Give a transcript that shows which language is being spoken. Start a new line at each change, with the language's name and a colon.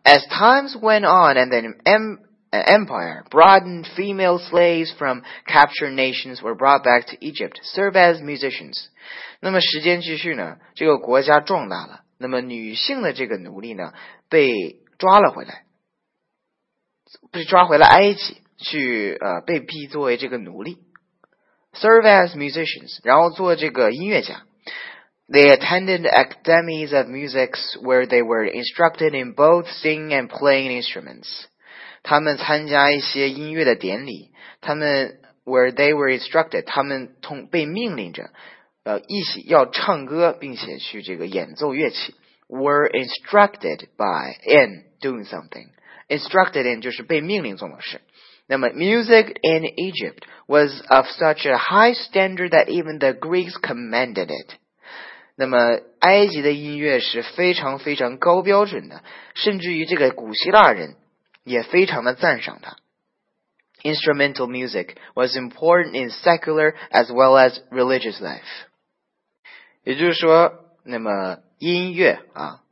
English: As times went on and the empire broadened, female slaves from captured nations were brought back to Egypt, serve as musicians.
Chinese: 那么时间继续呢，这个国家壮大了，那么女性的这个奴隶呢，被抓回了埃及，去被逼作为这个奴隶。
English: Serve as musicians,
Chinese: 然后做这个音乐家。
English: They attended academies of music where they were instructed in both singing and playing instruments.
Chinese: 他们参加一些音乐的典礼，他们
English: where they were instructed,
Chinese: 他们被命令着一起要唱歌并且去这个演奏乐器。
English: Were instructed by in doing something.
Chinese: Instructed in 就是被命令做某事。
English: 那么 music in Egypt was of such a high standard that even the Greeks commended it.
Chinese: 那么埃及的音乐是非常非常高标准的，甚至于这个古希腊人也非常的赞赏它。
English: Instrumental music was important in secular as well as religious life.
Chinese: 也就是说，那么音乐啊，